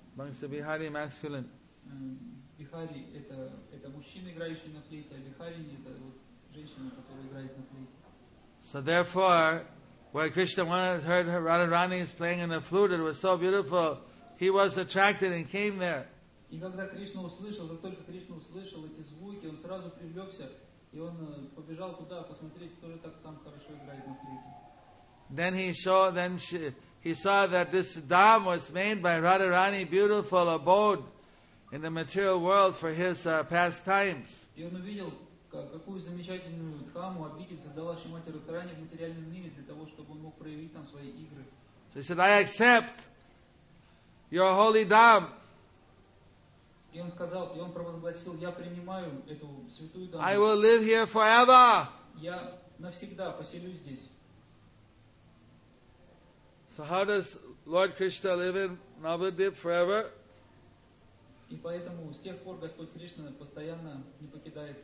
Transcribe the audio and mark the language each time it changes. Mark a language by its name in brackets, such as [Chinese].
[English] Банса Бихари masculine. [Russian] Бихари это мужчина, играющий на флейте, а Бихарини это вот женщина, которая играет на флейте. [English] So therefore, when Krishna wanted, heard her, Radharani is playing on the flute, it was so beautiful, he was attracted and came there. [Russian] И когда Кришна услышал, как только Кришна услышал эти звуки, он сразу привлекся, и он побежал туда посмотреть, кто же так там хорошо играет на флейте. [English] Then he saw, he saw that this dam was made by Radharani, beautiful abode in the material world for his pastimes. [Russian] И он увидел, какую замечательную дхаму обитель создала Шримати Радхарани в материальном мире для того, чтобы он мог проявить там свои игры. [English] So he said, I accept your holy dham. [Russian] И он сказал, и он провозгласил, я принимаю эту святую даму. [English] I will live here forever. [Russian] Я навсегда поселюсь здесь. [English] So how does Lord Krishna live in Navadvip forever? [Russian] И поэтому с тех пор Господь Кришна постоянно не покидает.